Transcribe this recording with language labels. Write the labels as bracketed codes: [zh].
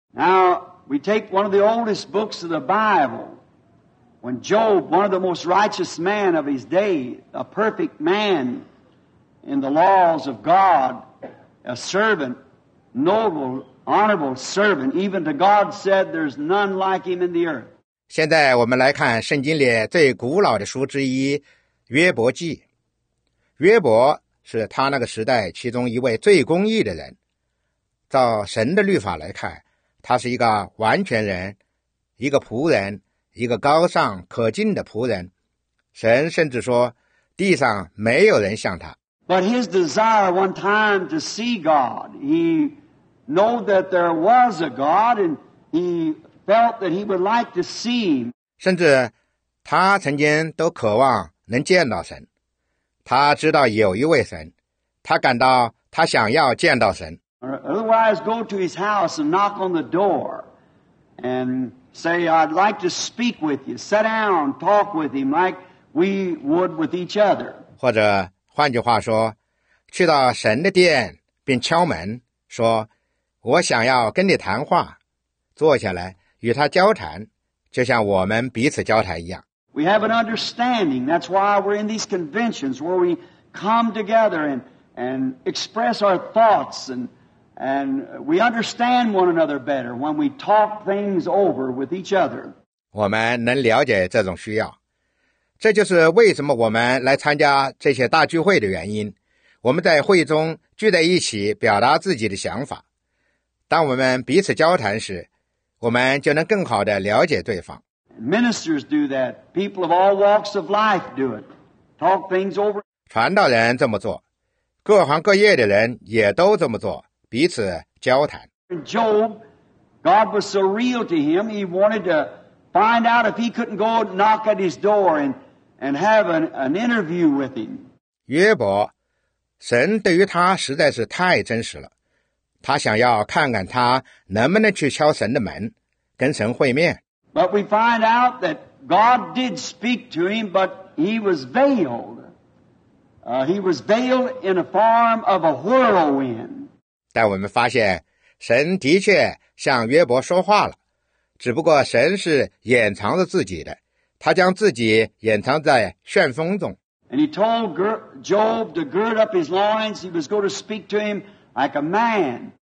[en] Now, we take one of the oldest books of the Bible. When Job, one of the most righteous men of his day, a perfect man in the laws of God, a servant, noble, honorable servant, even to God said, there's none like him in the earth. [zh] 现在我们来看圣经里最古老的书之一，约伯记。约伯是他那个时代其中一位最公义的人。照神的律法来看，他是一个完全人，一个仆人。一个高尚可敬的仆人，神甚至说，地上没有人像他。 [en] But his desire one time to see God, he knew that there was a God, and he felt that he would like to see him. [zh] 甚至他曾经都渴望能见到神，他知道有一位神，他感到他想要见到神。 [en] Otherwise, go to his house and knock on the door, and. Say, I'd like to speak with you. Sit down, talk with him like we would with each other. [zh] 或者换句话说，去到神的殿并敲门，说，我想要跟你谈话，坐下来与他交谈，就像我们彼此交谈一样。 [en] We have an understanding. That's why we're in these conventions where we come together and express our thoughts and we understand one another better when we talk things over with each other. [zh] 我们能了解这种需要，这就是为什么我们来参加这些大聚会的原因。我们在会中聚在一起表达自己的想法，当我们彼此交谈时，我们就能更好地了解对方。 [en] Ministers do that. People of all walks of life do it. Talk things over. [zh] 传道人这么做，各行各业的人也都这么做，彼此交谈。 [en] Job, God was so real to him, he wanted to find out if he couldn't go knock at his door and have an interview with him. [zh] 约伯，神对于他实在是太真实了，他想要看看他能不能去敲神的门，跟神会面。 [en] But we find out that God did speak to him, but he was veiled. He was veiled in a form of a whirlwind. [zh] 但我们发现，神的确向约伯说话了，只不过神是掩藏着自己的，他将自己掩藏在旋风中。 [en] And he told Job to gird up his loins. He was going to speak to him like a man.